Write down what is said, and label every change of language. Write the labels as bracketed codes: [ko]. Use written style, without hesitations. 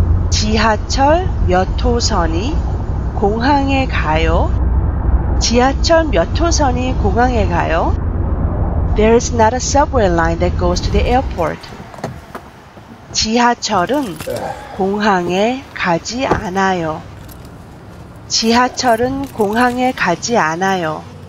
[ko] 지하철 몇 호선이 공항에 가요? 지하철 몇 호선이 공항에 가요? [en] There is not a subway line that goes to the airport. [ko] 지하철은 공항에 가지 않아요. 지하철은 공항에 가지 않아요.